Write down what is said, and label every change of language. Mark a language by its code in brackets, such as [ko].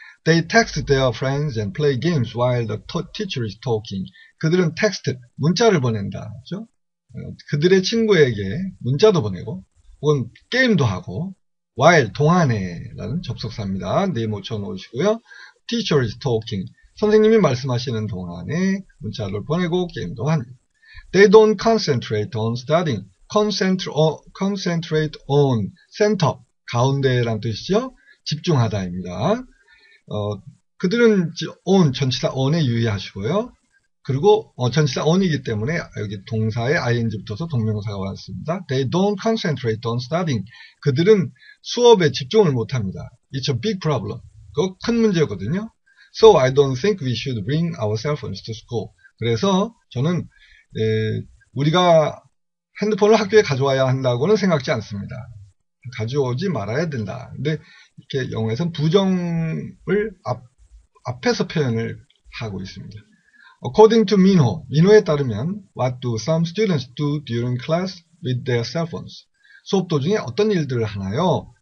[en] They text their friends and play games while the teacher is talking. [ko] 그들은 텍스트, 문자를 보낸다죠. 그들의 친구에게 문자도 보내고 혹은 게임도 하고 while 동안에라는 접속사입니다. 네모 쳐놓으시고요. [en] Teacher is talking. [ko] 선생님이 말씀하시는 동안에 문자를 보내고 게임도 합니다. [en] They don't concentrate on studying. Concentrate on. [ko] Center, 가운데란 뜻이죠. 집중하다입니다. 그들은 on, 전치사 on에 유의하시고요. 그리고 전치사 on이기 때문에 여기 동사에 ing 붙어서 동명사가 왔습니다. [en] They don't concentrate on studying. [ko] 그들은 수업에 집중을 못합니다. [en] It's a big problem. [ko] 그거 큰 문제거든요. [en] So I don't think we should bring our cell phones to school. [ko] 그래서 저는 우리가 핸드폰을 학교에 가져와야 한다고는 생각지 않습니다. 가져오지 말아야 된다. 근데 이렇게 영어에서는 부정을 앞에서 표현을 하고 있습니다. [en] According to Minho, [ko] 민호에 따르면 [en] What do some students do during class with their cell phones? [ko] 수업 도중에 어떤 일들을 하나요?